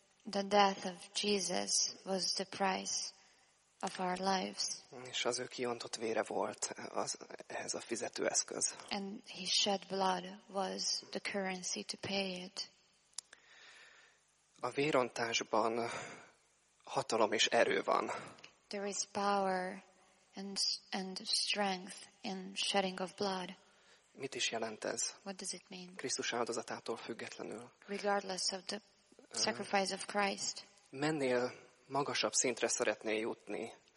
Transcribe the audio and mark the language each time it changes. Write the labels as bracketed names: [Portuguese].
[English] The death of Jesus was the price of our lives. [Hungarian] És az ő kiontott vére volt az ehhez a fizető eszköz. [English] And his shed blood was the currency to pay it. [Hungarian] A vérontásban hatalom és erő van. [English] There is power and strength in shedding of blood. [Hungarian] Mit is jelent ez? [English] What does it mean? [Hungarian] Krisztus áldozatától függetlenül. [English] Regardless of the sacrifice of Christ. [Hungarian] Mennél magasabb szintre szeretné jutni.